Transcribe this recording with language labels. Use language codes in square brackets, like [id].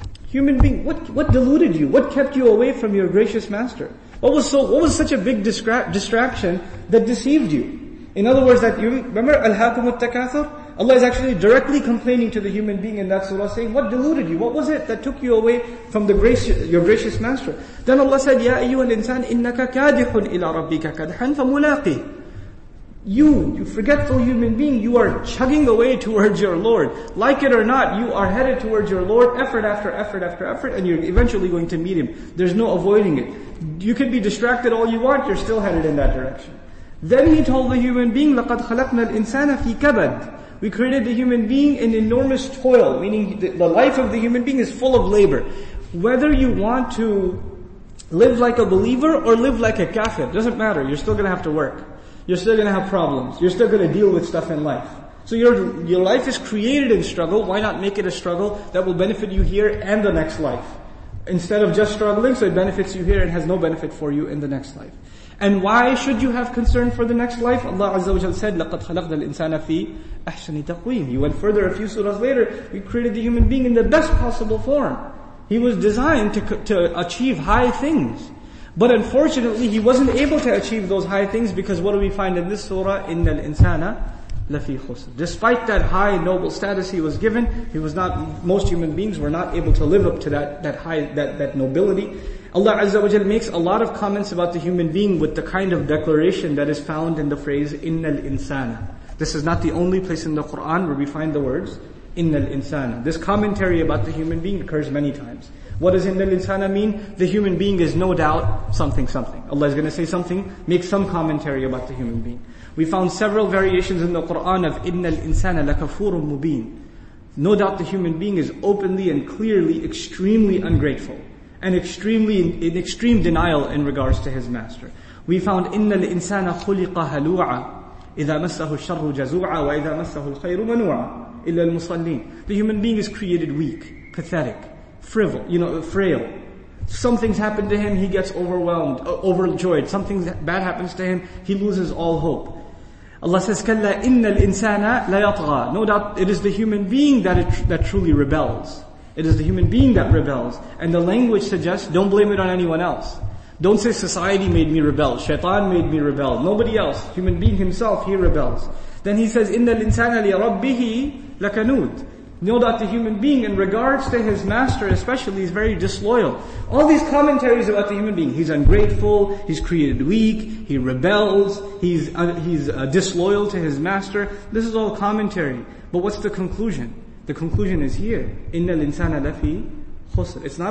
[en] Human being, what deluded you? What kept you away from your gracious master? What was such a big distraction that deceived you? In other words, that you remember Al-Hakum al-Takathur? Allah is actually directly complaining to the human being in that surah, saying, what deluded you? What was it that took you away from your gracious master? Then Allah said, [ar] يَا أَيُّهَا الْإِنسَانِ إِنَّكَ كَادِحٌ إِلَىٰ رَبِّكَ كَدْحًا فَمُلَاقِي. [en] You forgetful human being, you are chugging away towards your Lord. Like it or not, you are headed towards your Lord, effort after effort after effort, and you're eventually going to meet Him. There's no avoiding it. You can be distracted all you want, you're still headed in that direction. Then He told the human being, [ar] لَقَدْ خَلَقْنَا الْإِنسَانَ فِي كَبَدٍ. [en] We created the human being in enormous toil, meaning the life of the human being is full of labor. Whether you want to live like a believer or live like a kafir, doesn't matter, you're still going to have to work. You're still going to have problems. You're still going to deal with stuff in life. So your life is created in struggle. Why not make it a struggle that will benefit you here and the next life? Instead of just struggling, so it benefits you here and has no benefit for you in the next life. And why should you have concern for the next life? [ar] Allah Azza wa Jalla said, لَقَدْ خَلَقْنَا الْإِنسَانَ فِي أَحْسَنِ تَقْوِيمٍ. [en] He went further a few surahs later. We created the human being in the best possible form. He was designed to achieve high things. But unfortunately, he wasn't able to achieve those high things, because what do we find in this surah? [ar] إِنَّ الْإِنسَانَ لَفِي خُسْرٍ. [en] Despite that high noble status he was given, most human beings were not able to live up to that nobility. Allah Azza wa Jalla makes a lot of comments about the human being with the kind of declaration that is found in the phrase [ar] إِنَّ الْإِنسَانَ. [en] This is not the only place in the Quran where we find the words [ar] إِنَّ الْإِنسَانَ. [en] This commentary about the human being occurs many times. What does [ar] إِنَّ الْإِنسَانَ [en] mean? The human being is no doubt something, something. Allah is going to say something, make some commentary about the human being. We found several variations in the Quran of [ar] إِنَّ الْإِنسَانَ لَكَفُورٌ مُبِينٌ. [en] No doubt the human being is openly and clearly extremely ungrateful and extremely in extreme denial in regards to his master. [ar] We found إِنَّ الْإِنسَانَ خُلِقَ هَلُوعًا إِذَا مَسَّهُ الشَّرُّ جَزُوعًا وَإِذَا مَسَّهُ الْخَيْرُ مَنُوعًا إِلَّا الْمُصَلِّينَ. [en] The human being is created weak, pathetic, frail. Some things happen to him, he gets overwhelmed, overjoyed. Something bad happens to him, he loses all hope. [ar] Allah says, كَلَّا إِنَّ الْإِنسَانَ لَيَطْغَى. [en] No doubt it is the human being that truly rebels. It is the human being that rebels. And the language suggests, don't blame it on anyone else. Don't say society made me rebel, shaitan made me rebel. Nobody else, human being himself, he rebels. Then he says, [ar] إِنَّ الْإِنسَانَ لِرَبِّهِ لَكَنُودِ. [en] No doubt the human being, in regards to his master especially, is very disloyal. All these commentaries about the human being, he's ungrateful, he's created weak, he rebels, he's disloyal to his master. This is all commentary. But what's the conclusion? The conclusion is here. [ar] إِنَّ الْإِنسَانَ لَفِي خُسْرٍ.